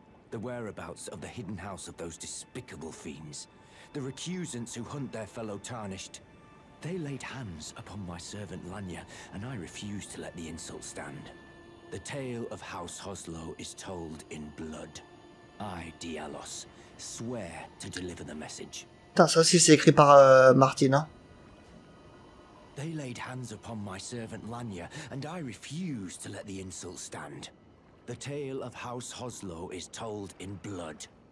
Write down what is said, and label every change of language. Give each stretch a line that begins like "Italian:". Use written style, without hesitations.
English: The whereabouts of the hidden house of those despicable fiends. The recusants who hunt their fellow tarnished. They laid hands upon my servant Lanya, and I refuse to let the insult stand. The tale of House Hoslow is told in blood. I, Dialos, swear to deliver the message.
French: Putain, ça aussi c'est écrit par Martin, hein.
English: They laid hands upon my servant Lanya, and I refuse to let the insult stand. The tale of House Hoslow is told in blood.